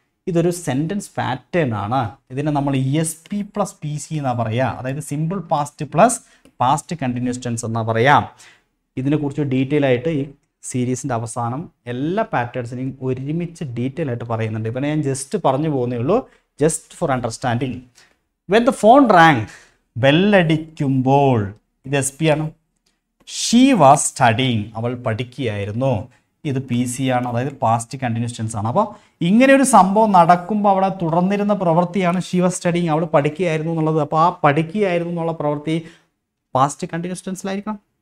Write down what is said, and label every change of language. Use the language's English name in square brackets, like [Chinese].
[Malayalam] ഇതൊരു sentence pattern ആണ്. ഇതിനെ നമ്മൾ S P plus P C എന്നാണ് പറയുക, അതായത് simple past plus past continuous tense എന്നാണ് പറയുക. ഇതിനെക്കുറിച്ച് ഡീറ്റെയിൽ ആയിട്ട് ഈ സീരീസിൻ്റെ അവസാനം എല്ലാ പാറ്റേൺസിനെയും ഒരുമിച്ച് ഡീറ്റെയിൽ ആയിട്ട് പറയുന്നുണ്ട്. ഇപ്പം ഞാൻ ജസ്റ്റ് പറഞ്ഞു പോകുന്നേ ഉള്ളൂ, just for understanding. [English] When the phone rang, [Malayalam] bell adikkumbol, ഇത് എസ് പി ആണ്. [English] she was studying, [Malayalam] അവൾ പഠിക്കുകയായിരുന്നു. ഇത് പി സി ആണ്, അതായത് പാസ്റ്റ് കണ്ടിന്യൂസ് ടെൻസ് ആണ്. അപ്പോൾ ഇങ്ങനെ ഒരു സംഭവം നടക്കുമ്പോൾ അവിടെ തുടർന്നിരുന്ന പ്രവൃത്തിയാണ് [English] she was studying, [Malayalam] അവൾ പഠിക്കുകയായിരുന്നു എന്നുള്ളത്. അപ്പോൾ ആ പഠിക്കുകയായിരുന്നു എന്നുള്ള പ്രവൃത്തി പാസ്റ്റ് കണ്ടിന്യൂസ് ടെൻസിലായിരിക്കണം.